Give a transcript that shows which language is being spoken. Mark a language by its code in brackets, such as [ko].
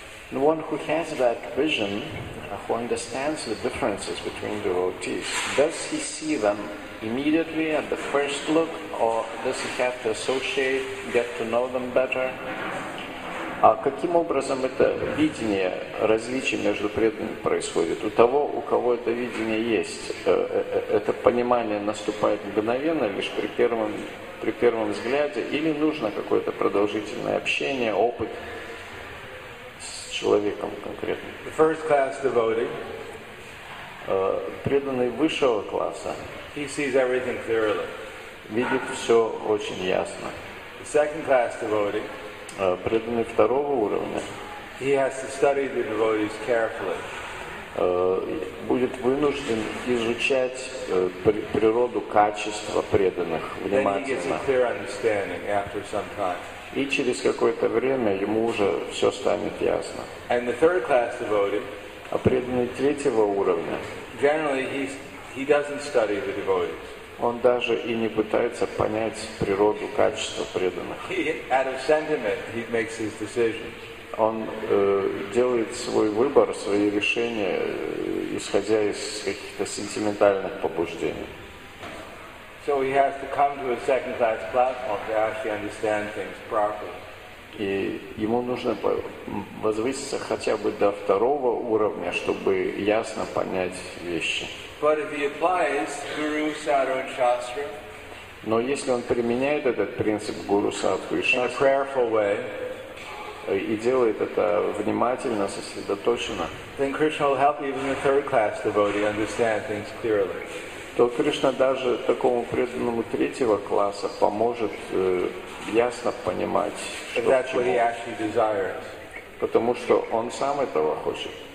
[en] The one who has that vision, who understands the differences between devotees, does he see them immediately at the first look, or does he have to associate, get to know them better? [ru] А каким образом это видение различий между преданными происходит? У того, у кого это видение есть, это понимание наступает мгновенно, лишь при первом взгляде, или нужно какое-то продолжительное общение, опыт с человеком конкретно? [en] The first class devotee, [ru] преданный высшего класса, [en] he sees everything clearly. [ru] Видит все очень ясно. [en] The second class devotee, [ru] преданный второго уровня, [en] he has to study the devotees carefully. [ru] Будет вынужден изучать природу качества преданных внимательно. [en] Then he gets a clear understanding after some time. [ru] И через какое-то время ему уже все станет ясно. [en] And the third class devotee, [ru] а преданный третьего уровня, [en] generally he doesn't study the devotees. [ru] Он даже и не пытается понять природу, качество преданных. [en] Out of sentiment, he makes his decisions. [ru] Он делает свой выбор, свои решения, исходя из каких-то сентиментальных побуждений. [en] So he has to come to a second-class platform to actually understand things properly. [ru] И ему нужно возвыситься хотя бы до второго уровня, чтобы ясно понять вещи. [en] But if he applies Guru Sadhu and Shastra, [ru] но если он применяет этот принцип Гуру Садху и Шастра, [en] in a prayerful way, [ru] и делает это внимательно, сосредоточенно, [en] then Krishna will help even the third class devotee understand things clearly. [ru] То Кришна даже такому преданному третьего класса поможет ясно понимать, что [en] that's what he actually desires. [ru] Потому что он сам этого хочет.